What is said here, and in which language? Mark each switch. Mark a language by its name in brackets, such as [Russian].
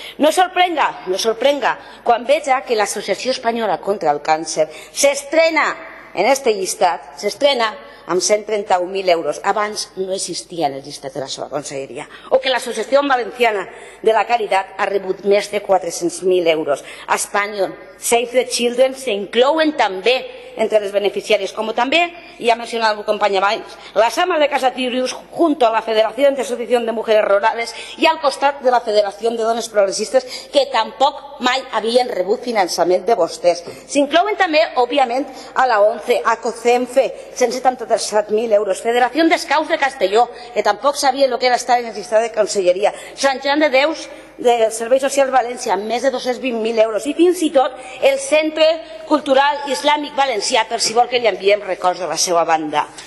[Catalan] No sorprenga quan veja que l'Associació Espanyola contra el Càncer s'estrena en este llistat, s'estrena amb 131.000 euros. Abans no existia en el llistat de la seva conselleria. O que l'Associació Valenciana de la Caritat ha rebut més de 400.000 euros. A Espanya, Save the Children s'inclouen també entre les beneficiàries, com també [Spanish] y ha mencionado algún compañero más, las amas de casa Tirius, junto a la Federación de Asociación de Mujeres Rurales y al costado de la Federación de Dones Progresistas, que tampoco mai habían [Catalan] rebut finançament de vostès. S'inclouen també, òbviament, a la ONCE, a COCENFE, 177.000 euros, Federació d'Escaus de Castelló, que tampoc sabia el que era estar en el llistat de conselleria, Sant Joan de Déus, del Servei Social València, amb més de 220.000 euros, i fins i tot el Centre Cultural Islàmic Valencià, per si vol que li enviem records de la seva banda.